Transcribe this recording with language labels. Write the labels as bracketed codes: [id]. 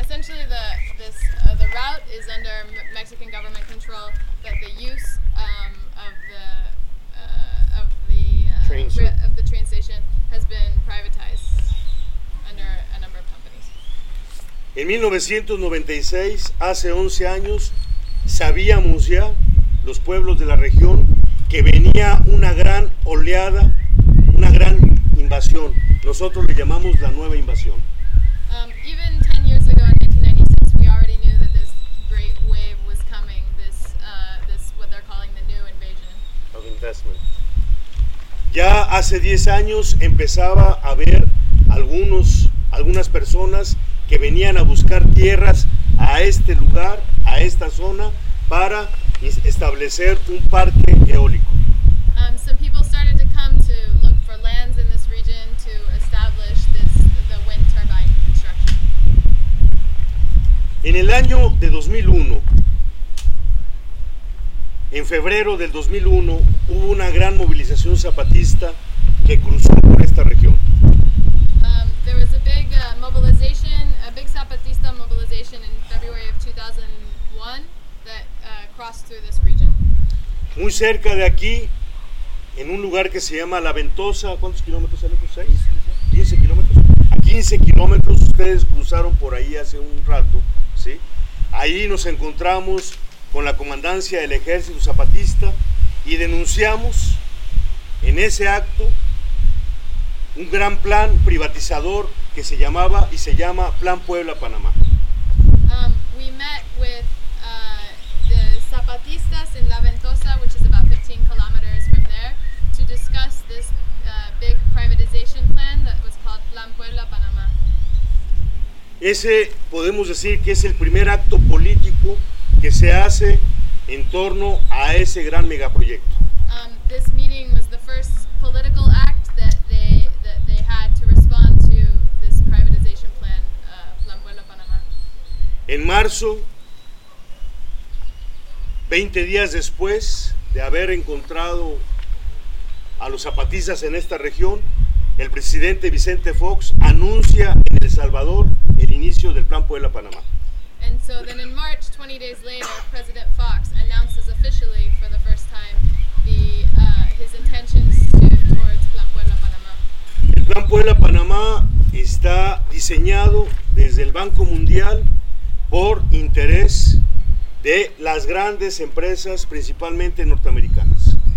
[en] Essentially, the route is under Mexican government control, but the use of the train station has been privatized under a number of companies. [es] En 1996, hace 11 años, sabíamos ya, los pueblos de la región, que venía una gran oleada, una gran invasión. Nosotros le llamamos la nueva invasión. [en] Even 10 years ago, in 1996, we already knew that this great wave was coming, this what they're calling the new invasion. Of investment. [es] Ya hace 10 años empezaba a ver algunas personas que venían a buscar tierras a este lugar, a esta zona, para establecer un parque eólico. [en] Some people started to come to look for lands in this region to establish the wind turbine construction. [es] En el año de 2001, en febrero del 2001, hubo una gran movilización zapatista que cruzó por esta región. [en] There was a big mobilization, a big Zapatista mobilization in February of 2001 that crossed through this region. [es] Muy cerca de aquí, en un lugar que se llama La Ventosa, ¿cuántos kilómetros se le puso? 15 kilómetros. A 15 kilómetros ustedes cruzaron por ahí hace un rato, ¿sí? Ahí nos encontramos con la comandancia del ejército zapatista y denunciamos en ese acto un gran plan privatizador que se llamaba y se llama Plan Puebla-Panamá. [en] We met with the Zapatistas in La Ventosa, which is about 15 kilometers from there, to discuss this big privatization plan that was called Plan Puebla-Panamá. [es] Ese podemos decir que es el primer acto político que se hace en torno a ese gran megaproyecto. [en] This meeting was the first political act that they had to respond to this privatization plan, Plan Puebla Panamá. [es] En marzo, 20 días después de haber encontrado a los zapatistas en esta región, el presidente Vicente Fox anuncia en El Salvador el inicio del Plan Puebla Panamá. [en] And so then in March, 20 days later, President Fox announces officially for the first time his intentions towards Plan Puebla Panamá. [es] El Plan Puebla Panamá está diseñado desde el Banco Mundial por interés de las grandes empresas, principalmente norteamericanas.